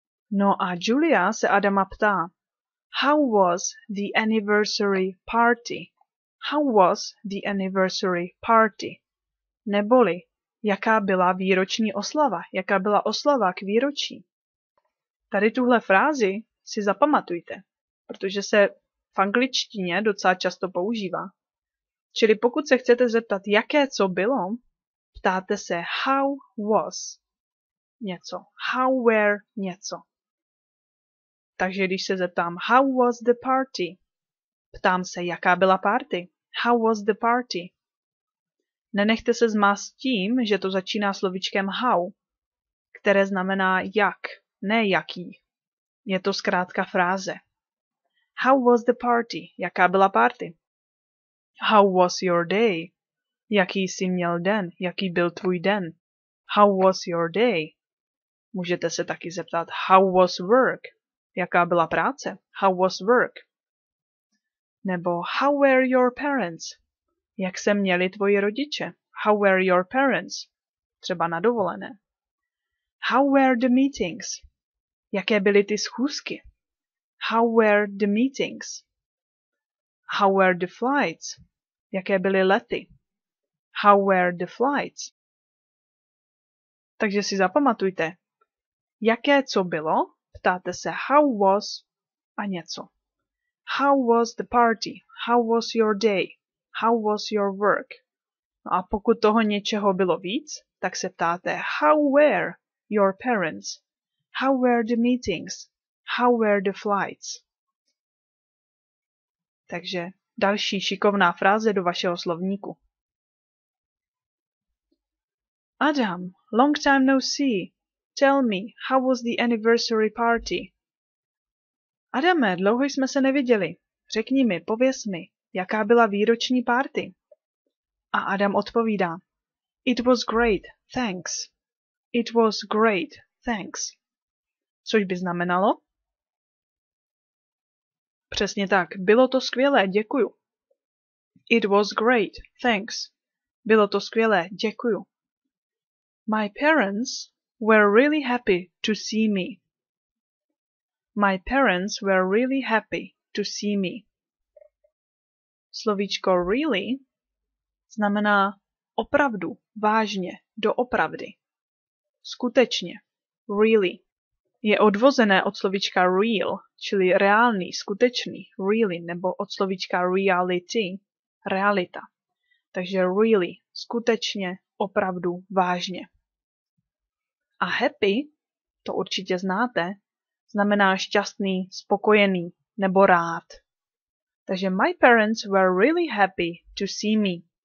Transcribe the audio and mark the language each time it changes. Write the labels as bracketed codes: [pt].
[cs] No a Julia se Adama ptá, [en] how was the anniversary party? How was the anniversary party? [cs] Neboli, jaká byla výroční oslava? Jaká byla oslava k výročí? Tady tuhle frázi si zapamatujte, protože se v angličtině docela často používá. Čili pokud se chcete zeptat, jaké co bylo, ptáte se [en] how was [cs] něco, [en] how were [cs] něco. Takže když se zeptám [en] how was the party, [cs] ptám se, jaká byla party, how was the party. Nenechte se zmást tím, že to začíná slovíčkem how, které znamená jak, ne jaký. Je to zkrátka fráze. [en] How was the party? [cs] Jaká byla party? [en] How was your day? [cs] Jaký jsi měl den? Jaký byl tvůj den? [en] How was your day? [cs] Můžete se taky zeptat, [en] how was work? [cs] Jaká byla práce? [en] How was work? Nebo how were your parents? [cs] Jak se měli tvoji rodiče? [en] How were your parents? [cs] Třeba na dovolené. [en] How were the meetings? [cs] Jaké byly ty schůzky? [en] How were the meetings? How were the flights? [cs] Jaké byly lety? [en] How were the flights? [cs] Takže si zapamatujte. Jaké co bylo? Ptáte se [en] how was [cs] a něco. [en] How was the party? How was your day? How was your work? [cs] No a pokud toho něčeho bylo víc, tak se ptáte [en] how were your parents? How were the meetings? How were the flights? [cs] Takže další šikovná fráze do vašeho slovníku. [en] Adam, long time no see. Tell me, how was the anniversary party? [cs] Adame, dlouho jsme se neviděli. Řekni mi, pověs mi, jaká byla výroční party? A Adam odpovídá. [en] It was great, thanks. It was great, thanks. [cs] Což by znamenalo? Přesně tak. Bylo to skvělé, děkuju. [en] It was great, thanks. [cs] Bylo to skvělé, děkuju. [en] My parents were really happy to see me. My parents were really happy to see me. [cs] Slovíčko really znamená opravdu, vážně, doopravdy. Skutečně. [en] Really. [cs] Je odvozené od slovíčka real, čili reálný, skutečný, really, nebo od slovíčka reality, realita. Takže really, skutečně, opravdu, vážně. A happy, to určitě znáte, znamená šťastný, spokojený, nebo rád. [en] Takže my parents were really happy to see me.